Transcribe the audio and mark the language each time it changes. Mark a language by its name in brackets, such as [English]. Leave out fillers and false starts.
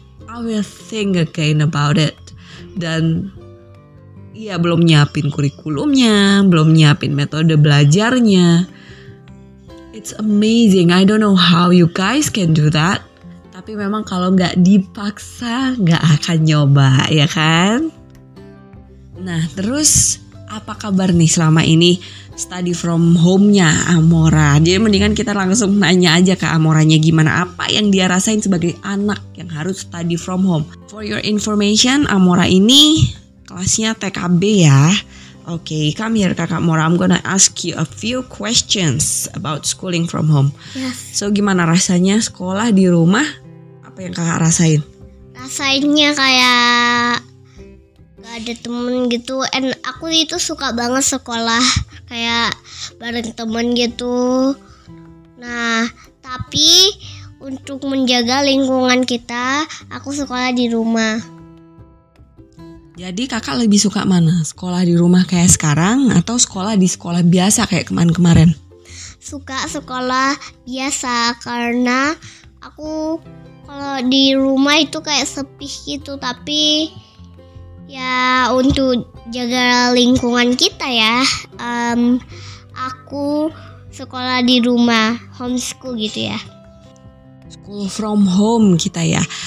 [English] I will think again about it. [Indonesian] Dan dia belum nyiapin kurikulumnya, belum nyiapin metode belajarnya. [English] It's amazing, I don't know how you guys can do that. [Indonesian] Tapi memang kalau gak dipaksa, gak akan nyoba, ya kan? Nah, terus apa kabar nih selama ini [English] study from home- [Indonesian] nya Amora? Jadi mendingan kita langsung nanya aja ke Amoranya gimana, apa yang dia rasain sebagai anak yang harus [English] study from home. For your information, [Indonesian] Amora ini kelasnya TKB ya. [English] Oke, okay, come here [Indonesian] kakak Mora, [English] I'm gonna ask you a few questions about schooling from home. Yes. [Indonesian] So, gimana rasanya sekolah di rumah? Apa yang kakak rasain? Rasainnya kayak gak ada temen gitu. And aku itu suka banget sekolah kayak bareng temen gitu. Nah, tapi untuk menjaga lingkungan kita, aku sekolah di rumah. Jadi kakak lebih suka mana? Sekolah di rumah kayak sekarang atau sekolah di sekolah biasa kayak kemarin-kemarin? Suka sekolah biasa karena aku kalau di rumah itu kayak sepi gitu. Tapi ya untuk jaga lingkungan kita ya, aku sekolah di rumah, homeschool gitu ya. [English] School from home [Indonesian] kita ya.